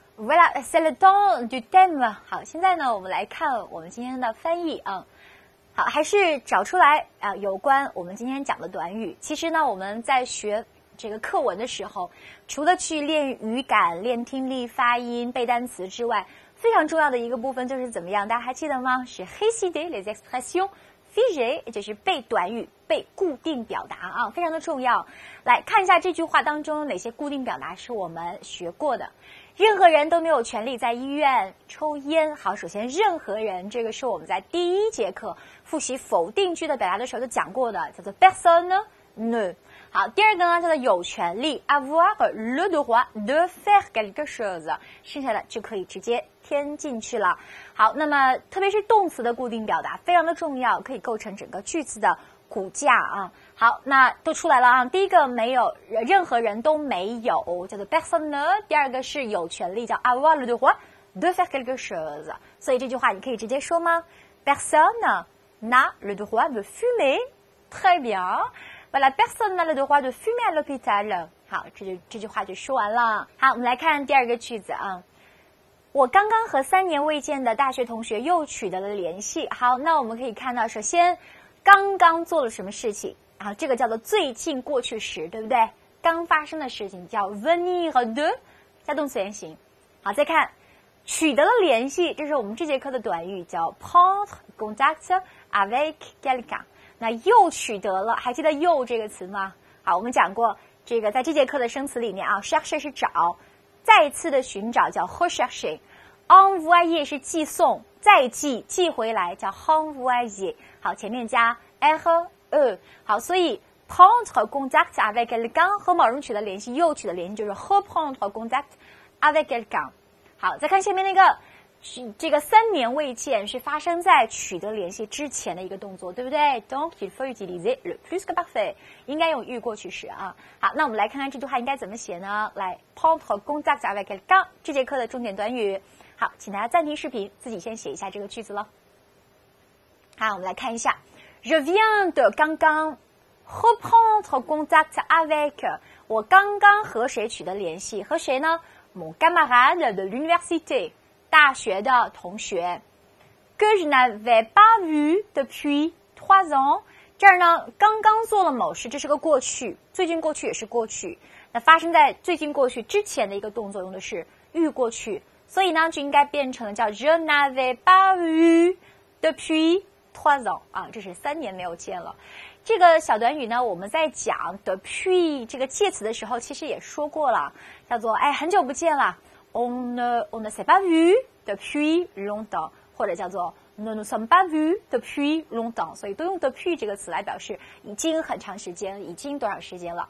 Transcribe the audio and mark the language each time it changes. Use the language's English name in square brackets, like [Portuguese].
[French] Voilà, c'est le temps du thème. [Chinese] 好，现在呢，我们来看我们今天的翻译啊。好，还是找出来啊，有关我们今天讲的短语。其实呢，我们在学这个课文的时候，除了去练语感、练听力、发音、背单词之外，非常重要的一个部分就是怎么样？大家还记得吗？是 [French] réciter les expressions figées， [Chinese] 就是背短语、背固定表达啊，非常的重要。来看一下这句话当中哪些固定表达是我们学过的。任何人都没有权利在医院抽烟。好，首先任何人，这个是我们在第一节课复习否定句的表达的时候就讲过的，叫做 personne ne。好，第二个呢叫做有权利 [French] avoir le droit de faire quelque chose， [Chinese] 剩下的就可以直接添进去了。好，那么特别是动词的固定表达非常的重要，可以构成整个句子的骨架啊。好，那都出来了啊。第一个没有，任何人都没有，叫做 personne。第二个是有权利，叫 [French] avoir le droit de faire quelque chose。 [Chinese] 所以这句话你可以直接说吗？ [French] personne n'a le droit de fumer。 très bien， voilà， personne n'a le droit de fumer à l'hôpital。 [Chinese] 好，这句话就说完了。好，我们来看第二个句子啊。我刚刚和三年未见的大学同学又取得了联系。好，那我们可以看到，首先刚刚做了什么事情啊，这个叫做最近过去时，对不对？刚发生的事情叫 venir de， 加动词原形。好，再看取得了联系，这是我们这节课的短语，叫 [French] prendre contact avec quelqu'un。 [Chinese] 那又取得了，还记得又这个词吗？好，我们讲过这个在这节课的生词里面啊， chercher 是找，再次的寻找叫 rechercher， envoyer 是寄送，再寄，寄回来叫 envoyer。好，前面加 r。好，所以 [French] prendre contact avec quelqu'un [Chinese] 和某人取得联系，又取得联系，就是 [French] reprendre contact avec quelqu'un。 [Chinese] 好，再看下面那个，这个三年未见是发生在取得联系之前的一个动作，对不对？ [French] Donc il faut utiliser le plus que parfait， [Chinese] 应该用预过去时啊。好，那我们来看看这句话应该怎么写呢？来， [French] prendre contact avec quelqu'un， [Chinese] 这节课的重点短语。好，请大家暂停视频，自己先写一下这个句子了。好，我们来看一下， [French] Je viens de [Chinese] 刚刚 [French] reprendre contact avec， [Chinese] 我刚刚和谁取得联系？和谁呢？ [French] Mon camarade de l'université， [Chinese] 大学的同学。 [French] Que je n'avais pas vu depuis trois ans， [Chinese] 这儿呢刚刚做了某事，这是个过去，最近过去也是过去，那发生在最近过去之前的一个动作用的是预过去，所以呢就应该变成叫 [French] Je n'avais pas vu depuis trois ans [Chinese] 啊，这是三年没有见了。这个小短语呢，我们在讲 depuis 这个介词的时候，其实也说过了，叫做哎很久不见了。 [French] On ne s'est pas vu depuis longtemps， [Chinese] 或者叫做 [French] Ne nous sommes pas vu depuis longtemps， [Chinese] 所以都用 depuis 这个词来表示已经很长时间，已经多少时间了。